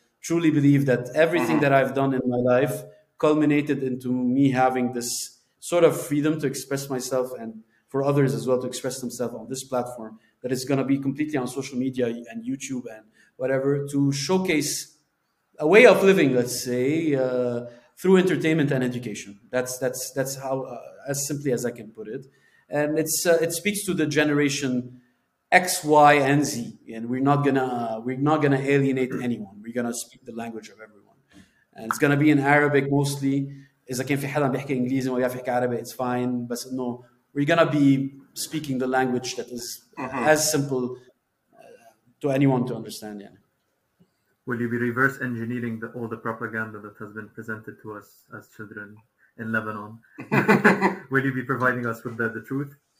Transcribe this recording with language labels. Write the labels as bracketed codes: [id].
[en] truly believe that everything that I've done in my life culminated into me having this sort of freedom to express myself and for others as well to express themselves on this platform that is going to be completely on social media and YouTube and whatever, to showcase a way of living, let's say, through entertainment and education. That's how, as simply as I can put it. And it speaks to the generation X, Y, and Z, and we're not gonna alienate anyone. We're gonna speak the language of everyone, and it's gonna be in Arabic mostly. [ar] إذا كان في حدا بيحكي إنجليزي ولا بيحكي عربي, [en] it's fine. But no, we're gonna be speaking the language that is as simple to anyone to understand. Yeah. Will you be reverse engineering all the propaganda that has been presented to us as children in Lebanon? Will you be providing us with the truth?